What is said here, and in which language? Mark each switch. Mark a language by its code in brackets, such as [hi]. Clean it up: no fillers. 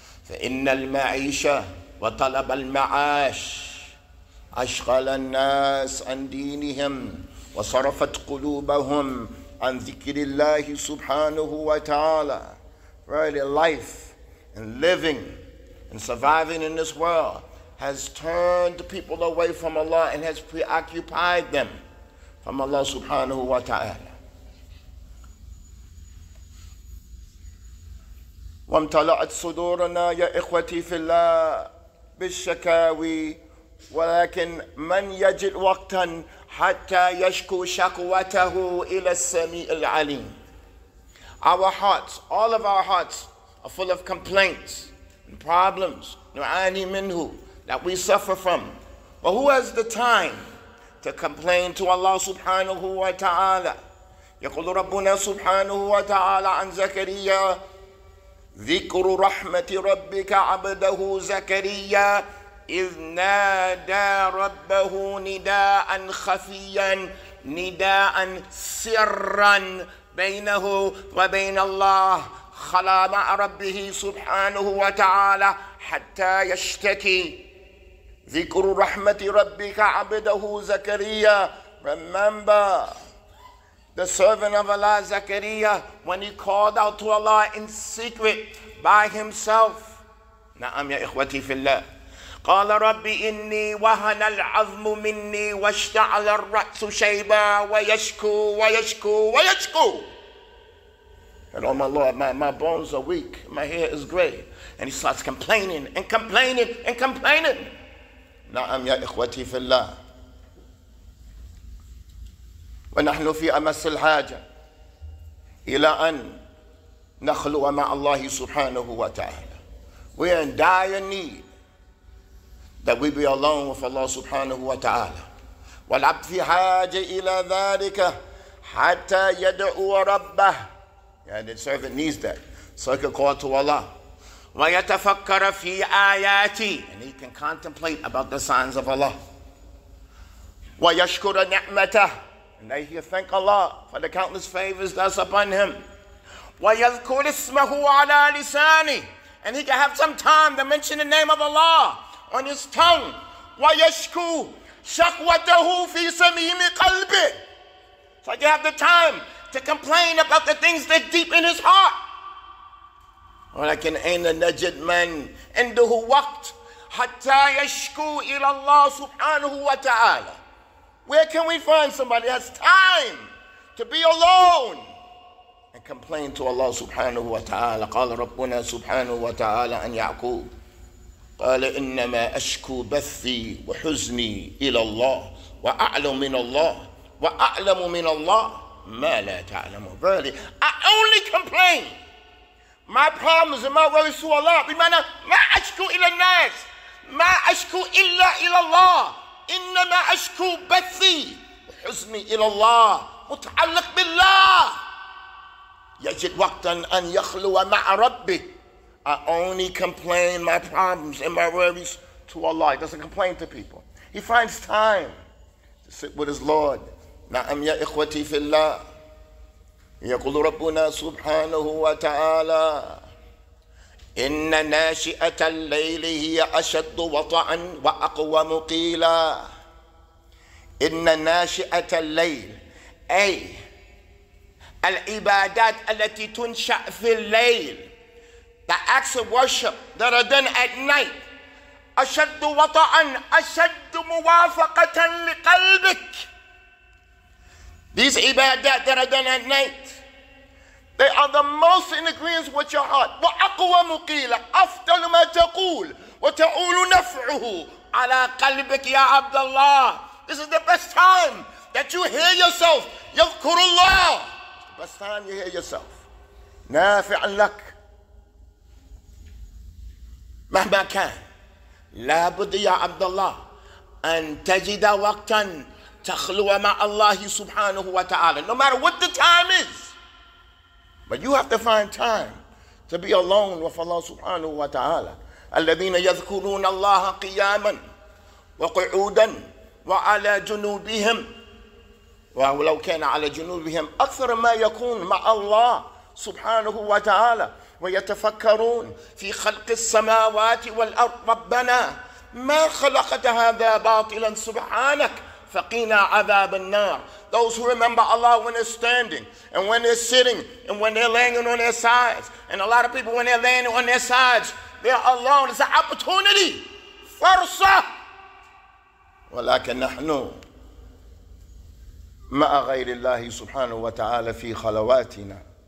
[ar] فَإِنَّ الْمَعِيشَةَ وَطَلَبَ الْمَعَاشِ أَشْغَلَ النَّاسَ عَنْ دِينِهِمْ وَصَرَفَتْ قُلُوبَهُمْ عَنْ ذِكْرِ اللَّهِ سُبْحَانَهُ وَتَعَالَى. [en] Really, life and living and surviving in this world has turned people away from Allah and has preoccupied them from Allah subhanahu wa ta'ala. [ar] وامتلأت صدورنا يا إخوتي في الله بالشكاوي ولكن من يجد وقتا حتى يشكو شكوته إلى السميع العليم. [en] Our hearts, all of our hearts are full of complaints and problems [ar] نعاني منه [en] that we suffer from. But who has the time to complain to Allah subhanahu wa ta'ala? [ar] يقول ربنا سبحانه وتعالى عن زكريا ذكر رحمة ربك عبده زكريا إذ نادى ربه نداء خفيا نداء سرا بينه وبين الله خلا مع ربه سبحانه وتعالى حتى يشتكي. ذكر رحمة ربك عبده زكريا. Remember the servant of Allah, Zakaria, when he called out to Allah in secret by himself. نعم يا إخوتي في الله. قال ربي إني وهن العظم مني واشتعل الرأس شيبا ويشكو ويشكو ويشكو. [en] And oh my Lord, my bones are weak, my hair is gray. And he starts complaining and complaining and complaining. [ar] نعم يا إخوتي في الله. ونحن في أمس الحاجة إلى أن نخلو مع الله سبحانه وتعالى. [en] We are in dire need that we be alone with Allah [ar] سبحانه وتعالى. والعبد في حاجة إلى ذلك حتى يدعو ربه. [en] And the servant needs that سوكا قوات الله [ar] ويتفكر في آياتي [en] and he can contemplate about the signs of Allah [ar] ويشكر نعمته [en] and then he'll thank Allah for the countless favors that's upon him [ar] ويذكر اسمه على لساني [en] and he can have some time to mention the name of Allah on his tongue [ar] ويشكو شقوته في صميم قلبه [en] so he can have the time to complain about the things that deep in his heart [ar] ولكن أين نجد من عنده وقت حتى يشكو إلى الله سبحانه وتعالى [en] Where can we find somebody who has time to be alone and complain to Allah subhanahu wa ta'ala? [ar] قال ربنا سبحانه وتعالى عن يعقوب قال إنما أشكو بثي وحزني إلى الله وأعلم من الله وأعلم من الله ما لا تعلم [en] Verily, I only complain my problems and my worries to Allah [ar] بمعنى ما أشكو إلى الناس ما أشكو إلا إلى الله إنما أشكو بثي حزني إلى الله متعلق بالله يجد وقتا أن يخلو مع ربي [en] I only complain my problems and my worries to Allah. He doesn't complain to people. He finds time to sit with his Lord. [ar] نعم يا إخوتي في الله يقول ربنا سبحانه وتعالى إن ناشئة الليل هي أشد وطئا وأقوى مقيلا إن ناشئة الليل أي العبادات التي تنشأ في الليل [en] The acts of worship that are done at night [ar] أشد وطئا أشد موافقة لقلبك [en] These عبادات that are done at night They are the most in agreement with your heart. [ar] وأقوى مقيلة أفضل ما تقول وتقول نفعه على قلبك يا عبد الله. [en] This is the best time that you hear yourself. [ar] يذكر الله. [en] It's the best time you hear yourself. [ar] نافع لك. مهما كان لابد يا عبد الله أن تجد وقتا تخلو مع الله سبحانه وتعالى. [en] No matter what the time is. But you have to find time to be alone with Allah subhanahu wa ta'ala. [ar] الَّذِينَ يَذْكُرُونَ اللَّهَ قِيَامًا وَقُعُودًا وَعَلَى جُنُوبِهِمْ وَلَوْ كَانَ عَلَى جُنُوبِهِمْ أكثر ما يكون مع الله سبحانه وتعالى ويتفكرون في خلق السماوات والأرض ربنا ما خلقت هذا باطلا سبحانك فقينا عذاب النار [en] Those who remember Allah when they're standing and when they're sitting and when they're laying on their sides. And a lot of people when they're laying on their sides, they're alone. It's an opportunity. فرصة. [ar] ولكن نحن مع غير الله سبحانه وتعالى في خلواتنا.